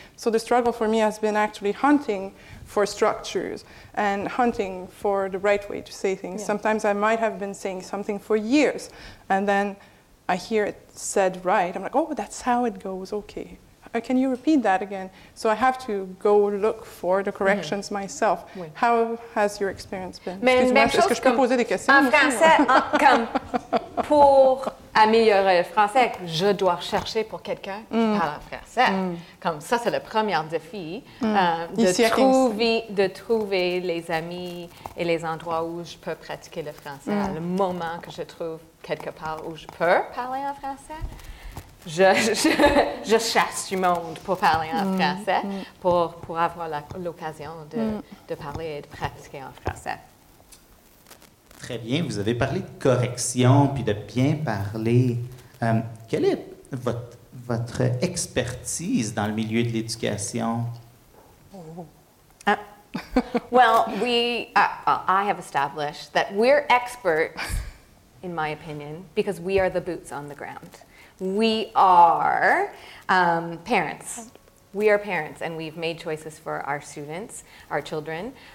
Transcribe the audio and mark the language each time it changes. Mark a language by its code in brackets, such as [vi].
[en] So the struggle for me has been actually hunting for structures and hunting for the right way to say things. Yeah. Sometimes I might have been saying something for years and then I hear it said right. I'm like, oh, that's how it goes. Okay. Can you repeat that again? So I have to go look for the corrections myself. Oui. How has your experience been? [fr] Mais excuse-moi, est-ce que je peux poser des questions? En français, comme pour améliorer le français. Je dois chercher pour quelqu'un qui parle en français. Mm. Comme ça, c'est le premier défi de trouver les amis et les endroits où je peux pratiquer le français. Mm. Le moment que je trouve quelque part où je peux parler en français, je chasse du monde pour parler en français, pour avoir l'occasion de parler et de pratiquer en français. Très bien, vous avez parlé de correction puis de bien parler. Quelle est votre expertise dans le milieu de l'éducation? [en] I have established that we're experts, in my opinion, because we are the boots on the ground. We are parents. We are parents, and we've made choices for our students, our children.